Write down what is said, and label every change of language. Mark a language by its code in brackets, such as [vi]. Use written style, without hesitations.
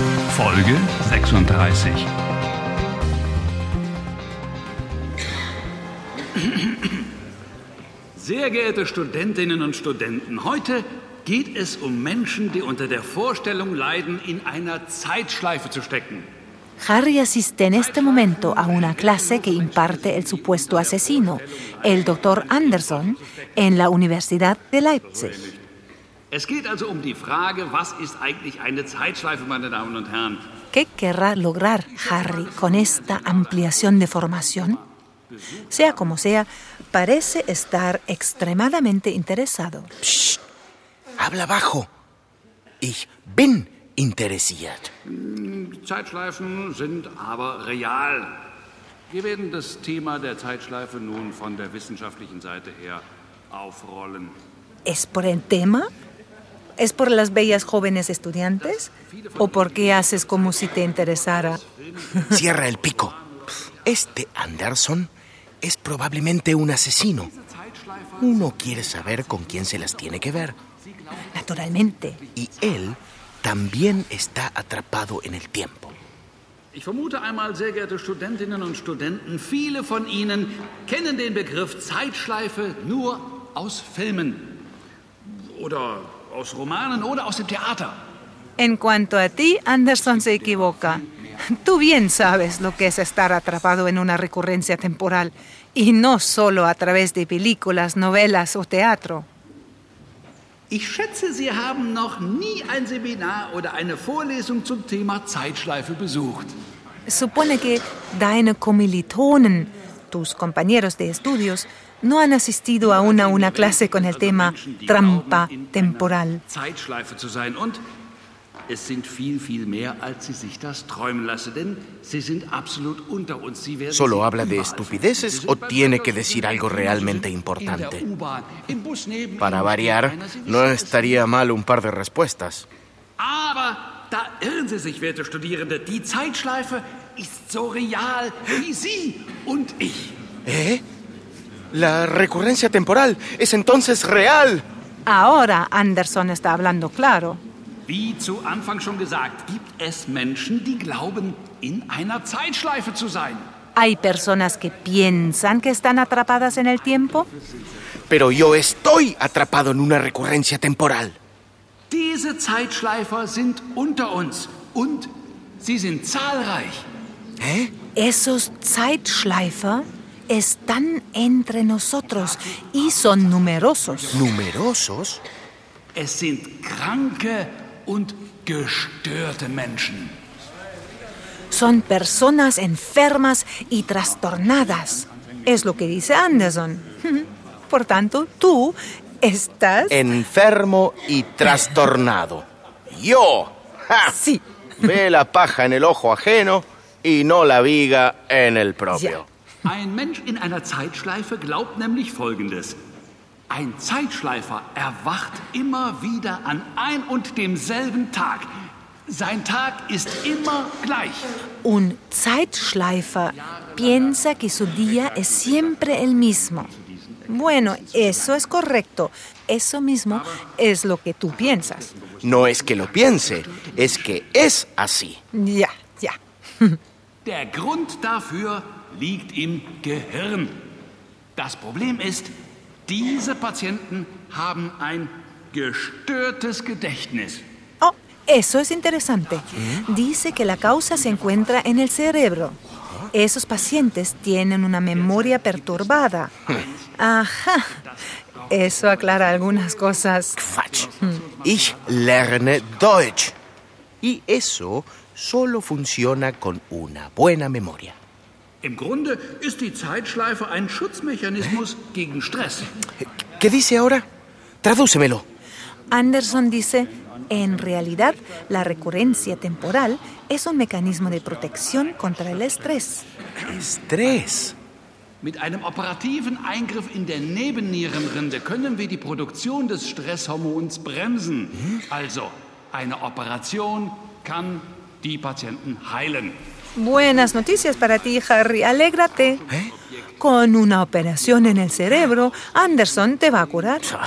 [de] Folge 36. Sehr geehrte Studentinnen und Studenten, heute geht es um Menschen, die unter der Vorstellung leiden, in einer Zeitschleife zu stecken. [es] Harry asiste en este momento a una clase que imparte el supuesto asesino, el Dr. Anderson, en la Universidad de Leipzig. [de] Es geht also um die Frage, was ist eigentlich eine Zeitschleife, meine Damen und Herren? [es] ¿Qué querrá lograr Harry con esta ampliación de formación? Sea como sea, parece estar extremadamente interesado. [de] ¡Psst! [es] ¡Habla bajo! [de] ¡Ich bin interessiert! Zeitschleifen sind aber real. Wir werden das Thema der Zeitschleife nun von der wissenschaftlichen Seite her aufrollen. [es] ¿Es por el tema? ¿Es por las bellas jóvenes estudiantes? ¿O por qué haces como si te interesara? Cierra el pico. Este Anderson es probablemente un asesino. Uno quiere saber con quién se las tiene que ver. Naturalmente. Y él también está atrapado en el tiempo. [de] Ich vermute einmal, sehr geehrte Studentinnen und Studenten, viele von Ihnen kennen den Begriff Zeitschleife nur aus Filmen oder aus Romanen oder aus dem Theater. [es] En cuanto a ti, Anderson se equivoca. Tú bien sabes lo que es estar atrapado en una recurrencia temporal, y no solo a través de películas, novelas o teatro. [de] Ich schätze, Sie haben noch nie ein Seminar oder eine Vorlesung zum Thema Zeitschleife besucht. [es] Supone que [de] deine Kommilitonen, [es] tus compañeros de estudios, no han asistido a una clase con el tema trampa temporal. [de] Zeitschleife zu sein, und es sind viel, viel mehr, als sie sich das träumen lassen, denn sie sind absolut unter uns. Sie [es] werden solo habla de estupideces o tiene que decir algo realmente importante. Para variar, no estaría mal un par de respuestas. [de] Aber da irren Sie sich, werte Studierende. Die Zeitschleife ist so real wie Sie und ich. ¿Eh? [es] La recurrencia temporal es entonces real. Ahora Anderson está hablando claro. [de] Wie zu Anfang schon gesagt, gibt es Menschen, die glauben, in einer Zeitschleife zu sein. [es] Hay personas que piensan que están atrapadas en el tiempo. Pero yo estoy atrapado en una recurrencia temporal. [de] Diese Zeitschleifer sind unter uns und sie sind zahlreich. Hä? [es] Esos Zeitschleifer están entre nosotros y son numerosos. ¿Numerosos? [de] Es sind kranke und gestörte Menschen. [es] Son personas enfermas y trastornadas. Es lo que dice Anderson. Por tanto, tú estás... Enfermo y trastornado. ¡Yo! ¡Ja! Sí. Ve la paja en el ojo ajeno y no la viga en el propio. [de] Ja. Ein Mensch in einer Zeitschleife glaubt nämlich Folgendes. Ein Zeitschleifer erwacht immer wieder an ein und demselben Tag. Sein Tag ist immer gleich. [es] Un Zeitschleifer piensa que su día es siempre el mismo. Bueno, eso es correcto. Eso mismo es lo que tú piensas. No es que lo piense, es que es así. [de] Ja, ja. Der Grund dafür liegt im Gehirn. Das Problem ist, diese Patienten haben ein gestörtes Gedächtnis. [es] Oh, eso es interesante. Dice que la causa se encuentra en el cerebro. Esos pacientes tienen una memoria perturbada. Ajá, eso aclara algunas cosas. [de] Quatsch. Ich lerne Deutsch. [es] Y eso solo funciona con una buena memoria. [de] Im Grunde ist die Zeitschleife ein Schutzmechanismus gegen Stress. [es] ¿Qué dice ahora? Tradúcemelo. Anderson dice, en realidad, la recurrencia temporal es un mecanismo de protección contra el estrés. ¿Estrés? [de] Mit einem operativen Eingriff in der Nebennierenrinde können wir die Produktion des Stresshormons bremsen. Also, eine Operation kann die Patienten heilen. [es] Buenas noticias para ti, Harry. Alégrate. ¿Eh? Con una operación en el cerebro, Anderson te va a curar.